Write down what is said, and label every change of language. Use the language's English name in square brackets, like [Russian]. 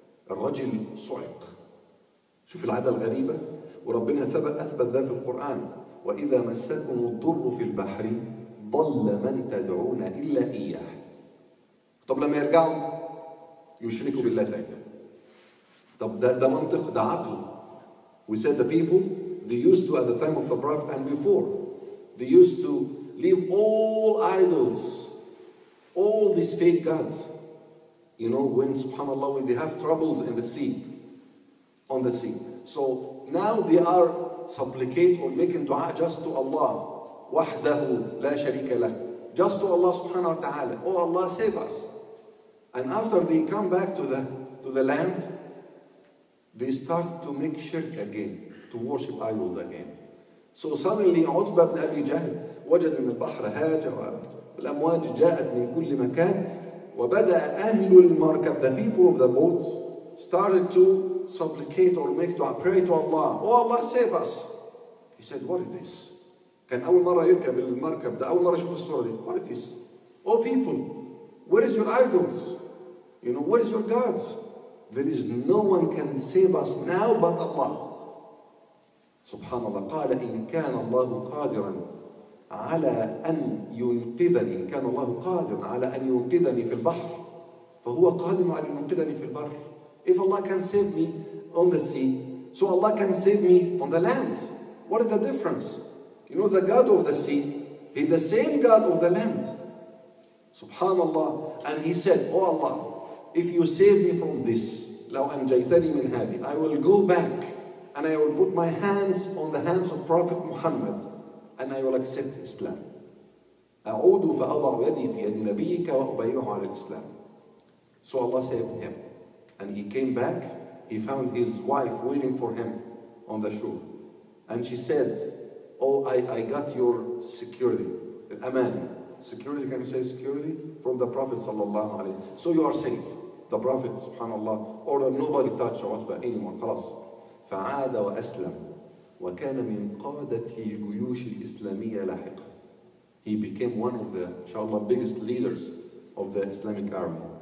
[Arabic] الرجل صعق، شوف العادة الغريبة، وربنا أثبت ذا في القرآن: وإذا مسكم الضر في البحر ضل من تدعون إلا إياه. طب لما يرجعوا يشركوا بالله تاني. طب ده منطق، ده عقل. [English] We said the people, they used to at the time of the prophet and before, they used to leave all idols, all these fake gods. You know, when subhanAllah, when they have troubles in the sea, on the sea. So now they are supplicate or making dua just to Allah. [Arabic] وحده لا شريك له. [English] Just to Allah subhanahu wa ta'ala. Oh Allah, save us. And after they come back to the land, they start to make shirk again, to worship idols again. [Arabic] So suddenly عتبة بن أبي جهل وجد من البحر هاج والأمواج جاءت من كل مكان وبدأ أهل المركب, [English] the people of the boats started to supplicate or make dua, pray to Allah. Oh Allah, save us. He said, what is this? [Arabic] كان أول مرة يركب المركب ده, أول مرة يشوف الصورة دي. [English] What is this? Oh people, where is your idols? You know, where is your gods? There is no one can save us now but Allah. [Arabic] سبحان الله. قال إن كان الله قادرا على أن ينقذني, إن كان الله قادر على أن ينقذني في البحر فهو قادر على أن ينقذني في البر. [English] If Allah can save me on the sea, so Allah can save me on the land. What is the difference? You know, the God of the sea, he's the same God of the land. Subhanallah. And he said, oh Allah, if you save me from this, [Arabic] لو أنجيتني من هذه, [English] I will go back and I will put my hands on the hands of Prophet Muhammad and I will accept Islam. [Arabic] أعود فأضع يدي في يد نبيك وأبيعه على الإسلام. [English] So Allah saved him. And he came back, he found his wife waiting for him on the shore. And she said, oh, I got your security. Aman. Security, can you say security? From the Prophet sallallahu alayhi wa sallam. So you are safe. The Prophet subhanallah ordered nobody touch Utbah anymore. [Arabic] خلاص. فعاد وأسلم وكان من قادة الجيوش الإسلامية لاحقا. [English] He became one of the, inshallah, biggest leaders of the Islamic army.